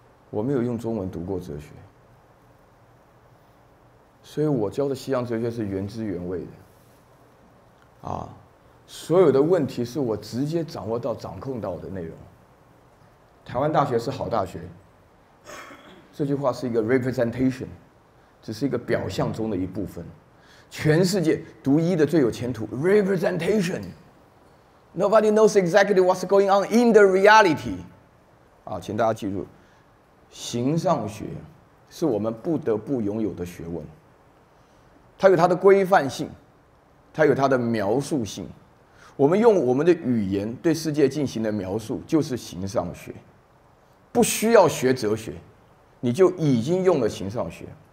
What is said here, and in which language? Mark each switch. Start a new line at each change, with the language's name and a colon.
Chinese: 我没有用中文读过哲学，所以我教的西洋哲学是原汁原味的啊。所有的问题是我直接掌握到、掌控到的内容。台湾大学是好大学，这句话是一个 representation， 只是一个表象中的一部分。全世界独一的最有前途
English: representation， nobody knows exactly what's going on in the reality。
Chinese: 请大家记住，形上学是我们不得不拥有的学问，它有它的规范性，它有它的描述性。我们用我们的语言对世界进行的描述就是形上学，不需要学哲学，你就已经用了形上学。